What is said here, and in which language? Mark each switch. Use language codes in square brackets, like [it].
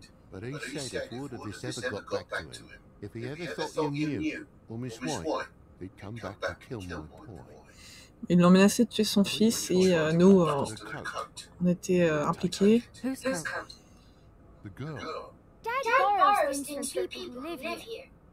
[en] But he said if word of this ever got back to him, if he ever thought you knew, or Miss White, he'd come back to kill my boy. [fr] Ils l'ont menacé de tuer son fils et nous, on était impliqués. [en] The girl. Dad borrows things from people who live here.